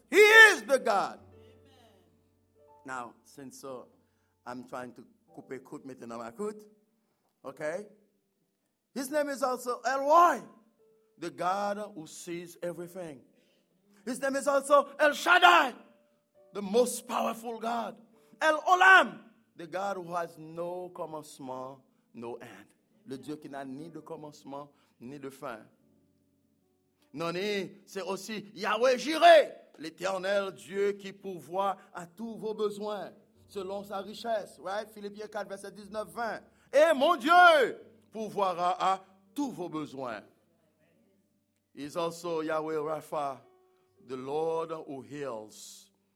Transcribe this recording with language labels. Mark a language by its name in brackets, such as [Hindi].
[English] He is the God. Now, since so, I'm trying to [French] couper coute maintenant ma coute, [English] okay? His name is also Eloi, the God who sees everything. His name is also El Shaddai, the most powerful God. El Olam, the God who has no commencement, no end. [French] Le Dieu qui n'a ni de commencement, ni de fin. Noni, c'est aussi Yahweh Jireh. L'éternel Dieu qui pourvoit à tous vos besoins selon sa richesse. Right? Philippiens 4, verset 19-20. Et mon Dieu pourvoira à tous vos besoins. [English] He's also Yahweh Rapha, the Lord who heals.